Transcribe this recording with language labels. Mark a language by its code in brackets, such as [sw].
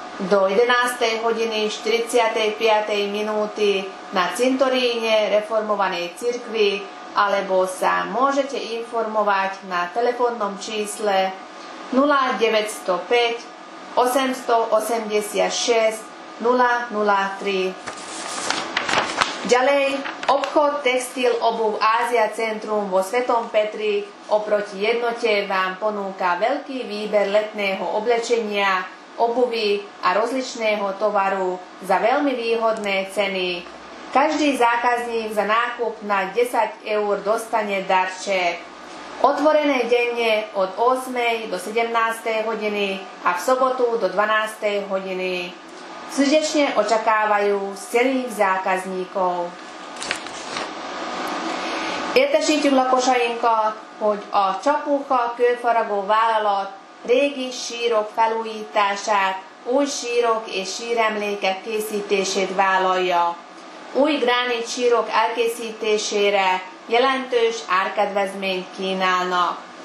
[sk] do 11.45 na cintoríne reformovanej cirkvi, alebo sa môžete informovať na telefónnom čísle 0905 886 003. Ďalej, obchod textil obuv Ázia Centrum vo Svetom Petri oproti jednote vám ponúka veľký výber letného oblečenia, obuvy a rozličného tovaru za veľmi výhodné ceny. Každý zákazník za nákup na 10 eur dostane darček. Otvorené denne od 8 do 17 hodiny a v sobotu do 12 hodiny. Srdečne očakávajú celých zákazníkov. [hu] Értesítjük lakosainkat, hogy a Csapucha kőfaragó vállalat régi sírok felújítását, új sírok és síremlékek készítését vállalja. Új gránit sírok elkészítésére jelentős árkedvezményt kínálnak.